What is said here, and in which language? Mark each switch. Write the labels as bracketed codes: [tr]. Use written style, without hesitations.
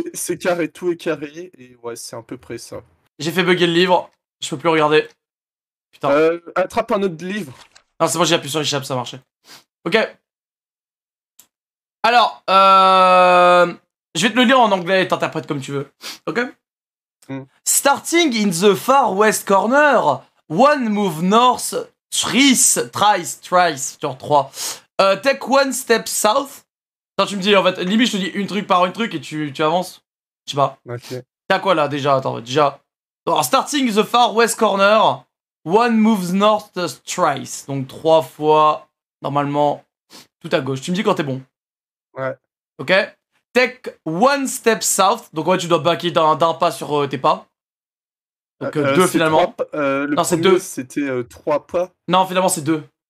[fr] C'est carré, tout est carré et ouais, c'est à peu près ça. J'ai fait bugger le livre, je peux plus regarder. Putain. Attrape un autre livre. Non, c'est bon, j'ai appuyé sur échappe, ça marchait. Ok. Alors, je vais te le lire en anglais et t'interprètes comme tu veux. Ok. Mm. [en] Starting in the far west corner, one move north. Thrice, [fr] genre 3. [en] Take one step south. [fr] Attends, tu me dis, en fait, limite, je te dis une truc par une truc et tu avances. Je sais pas. Ok. T'as quoi là déjà? Attends, déjà. [en] Alors, starting the far west corner, one moves north thrice. [fr] Donc 3 fois, normalement, tout à gauche. Tu me dis quand t'es bon. Ouais. [en] Ok. Take one step south. [fr] Donc ouais, tu dois backer d'un pas sur tes pas. Donc 2 finalement. Trois, le non, premier, c'est 2. C'était 3 pas. Non, finalement, c'est 2.